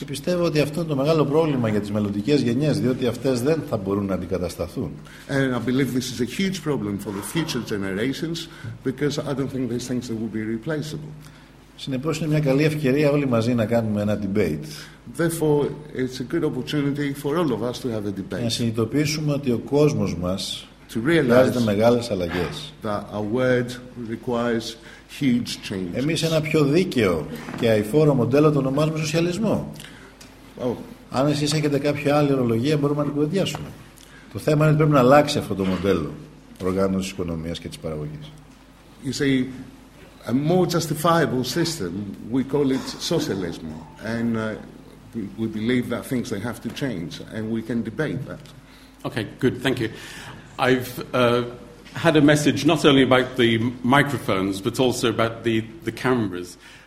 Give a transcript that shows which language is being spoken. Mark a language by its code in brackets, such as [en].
[el] Και πιστεύω ότι αυτό είναι το μεγάλο πρόβλημα για τις μελλοντικές γενιές, διότι αυτές δεν θα μπορούν να αντικατασταθούν. [en] And I believe this is a huge problem for the future generations, because I don't think these things will be replaceable. [el] Συνεπώς είναι μια καλή ευκαιρία όλοι μαζί να κάνουμε ένα debate. [en] Therefore, it's a good opportunity for all of us to have a debate. [el] Να συνειδητοποιήσουμε ότι ο κόσμος μας χρειάζεται μεγάλες αλλαγές. [en] That our world requires huge changes. [el] Εμείς ένα πιο δίκαιο και αηφόρο μοντέλο το ονομάζουμε σοσιαλισμό. Αν εσείς έχετε κάποια άλλη ορολογία, μπορούμε να την κουβεντιάσουμε. Το θέμα είναι ότι πρέπει να αλλάξει αυτό το μοντέλο οργάνωσης της οικονομίας και της παραγωγής. [en] A more justifiable system, we call it socialism, and we believe that things they have to change, and we can debate that. Okay, good, thank you. I've had a message not only about the microphones, but also about the cameras.